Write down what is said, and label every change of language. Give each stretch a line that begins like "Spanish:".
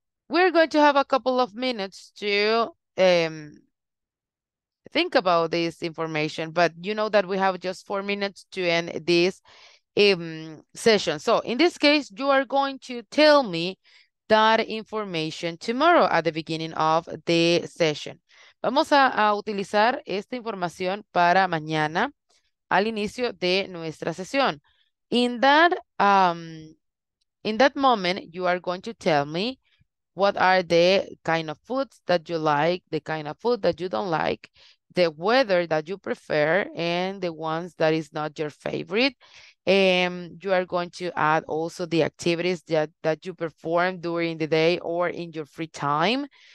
English: We're going to have a couple of minutes to think about this information, but you know that we have just 4 minutes to end this session. So in this case, you are going to tell me that information tomorrow at the beginning of the session.
Spanish: Vamos a utilizar esta información para mañana al inicio de nuestra sesión.
English: In that moment, you are going to tell me what are the kind of foods that you like, the kind of food that you don't like, the weather that you prefer, and the ones that is not your favorite. And you are going to add also the activities that you perform during the day or in your free time.